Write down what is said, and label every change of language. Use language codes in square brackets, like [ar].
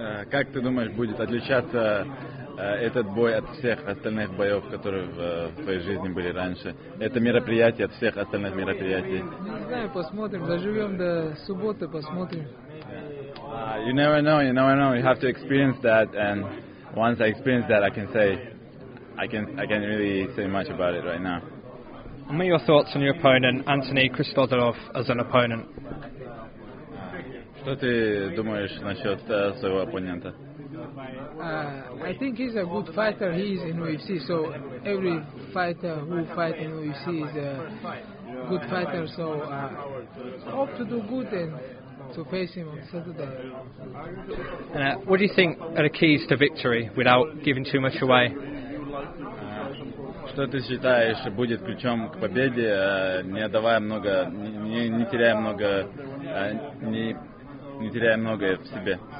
[ru] Как ты думаешь, будет отличаться этот бой от всех остальных боев, которые в твоей жизни были раньше? Это мероприятие от всех остальных мероприятий? Не знаю, посмотрим, доживем до субботы, посмотрим. [en] You never know. You have to experience that, and once I experience that, I can't really say much about it right now. And what are your thoughts on your opponent, Anthony Christodoulou, as an opponent? [ru] Что ты думаешь насчет своего оппонента? [en] I think he's a good fighter. He is in UFC, so every fighter who fights in UFC is a good fighter. So hope to do good and to face him on Saturday. And what do you think are the keys to victory without giving too much away? [ru] Что ты считаешь будет ключом к победе, не отдавая много, не теряя много, не теряя много в себе?